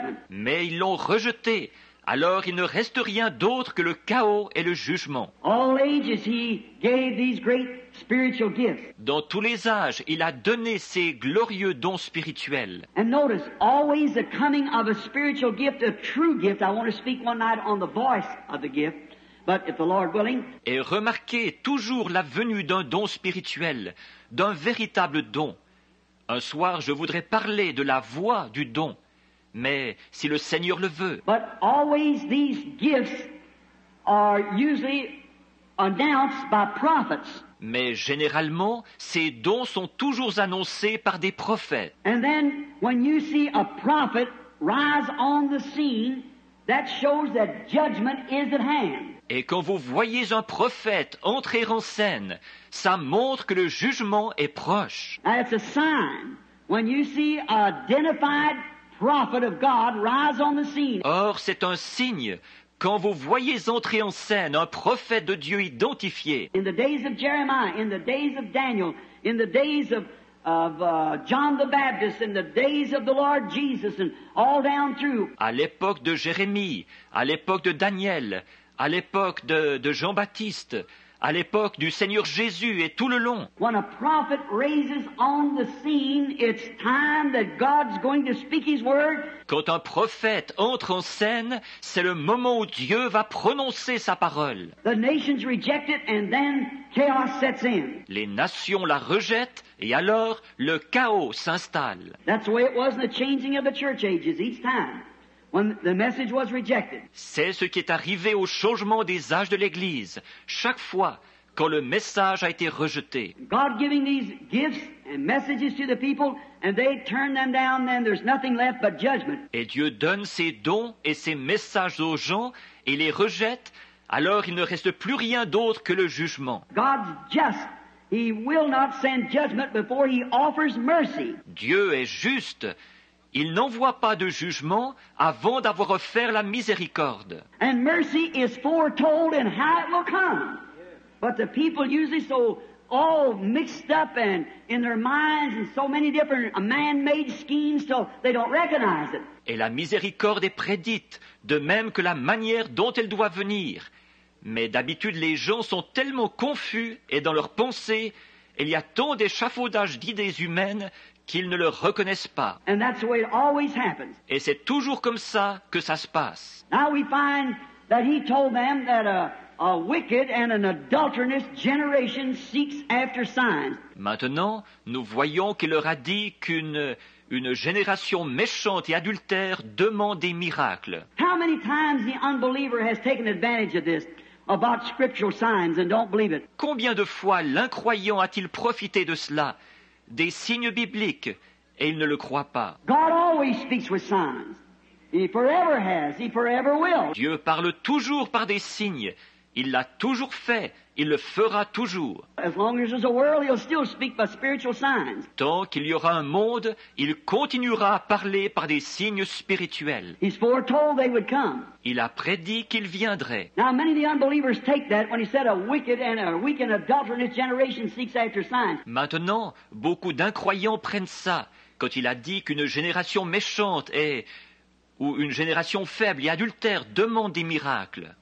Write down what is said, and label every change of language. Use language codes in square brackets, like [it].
[fr] Mais ils l'ont rejeté, alors il ne reste rien d'autre que le chaos et le jugement. [en] All ages he gave these great spiritual gifts. [fr] Dans tous les âges, il a donné ses glorieux dons spirituels. [en] And notice, always the coming of a spiritual gift, a true gift. I want to speak one night on the voice of the gift, but if the Lord willing. [fr] Et remarquez toujours la venue d'un don spirituel, d'un véritable don. Un soir, je voudrais parler de la voix du don, mais si le Seigneur le veut. [en] But always these gifts are usually announced by prophets. [fr] Mais généralement, ces dons sont toujours annoncés par des prophètes. [en] And then, when you see a prophet rise on the scene, that shows that judgment is at hand. [fr] Et quand vous voyez un prophète entrer en scène, ça montre que le jugement est proche. [en] That's a sign when you see an identified prophet of God rise on the scene. [fr] Or, c'est un signe. Quand vous voyez entrer en scène un prophète de Dieu identifié, [en] in the days of Jeremiah, in the days of Daniel, in the days John the Baptist in the days of the Lord Jesus and all down through. [fr] À l'époque de Jérémie, à l'époque de Daniel, à l'époque de Jean-Baptiste, à l'époque du Seigneur Jésus et tout le long. [en] When a prophet raises on the scene, it's time that God's going to speak his word. [fr] Quand un prophète entre en scène, c'est le moment où Dieu va prononcer sa parole. [en] The nations reject it and then chaos sets in. [fr] Les nations la rejettent et alors le chaos s'installe. [en] That's the way it was in the changing of the church ages each time. When the message was rejected. [fr] C'est ce qui est arrivé au changement des âges de l'Église, chaque fois quand le message a été rejeté. [en] God giving these gifts and messages to the people, and they turn them down, then there's nothing left but judgment. [fr] Et Dieu donne ses dons et ses messages aux gens et les rejette, alors il ne reste plus rien d'autre que le jugement. [en] God's just. He will not send judgment before he offers mercy. [fr] Dieu est juste. Il n'envoie pas de jugement avant d'avoir offert la miséricorde. [en] And mercy is foretold in how it will come. But the people usually so all mixed up and in their minds and so many different man-made schemes so they don't recognize it. [fr] Et la miséricorde est prédite, de même que la manière dont elle doit venir. Mais d'habitude, les gens sont tellement confus et dans leurs pensées, il y a tant d'échafaudages d'idées humaines qu'ils ne le reconnaissent pas. [en] And that's the way it always happens. [fr] Et c'est toujours comme ça que ça se passe. [en] Now we find that he told them that a wicked and an adulterous generation seeks after signs. [fr] Maintenant, nous voyons qu'il leur a dit qu'une génération méchante et adultère demande des miracles. [en] How many times the unbeliever has taken advantage of this? About scriptural signs and don't believe it. [fr] Combien de fois l'incroyant a-t-il profité de cela, des signes bibliques, et il ne le croit pas? [en] God always speaks with signs. He forever has, he forever will. [fr] Dieu parle toujours par des signes. Il l'a toujours fait, il le fera toujours. [en] As long as there's a world, he'll still speak by spiritual signs. [fr] Tant qu'il y aura un monde, il continuera à parler par des signes spirituels. [en] He's foretold they would come. [fr] Il a prédit qu'il viendrait. [en] Now many of the unbelievers take that when he said a wicked and a weak and adulterous generation seeks after signs. [fr] Maintenant, beaucoup d'incroyants prennent ça quand il a dit qu'une génération méchante est ou une génération faible et adultère demande des miracles.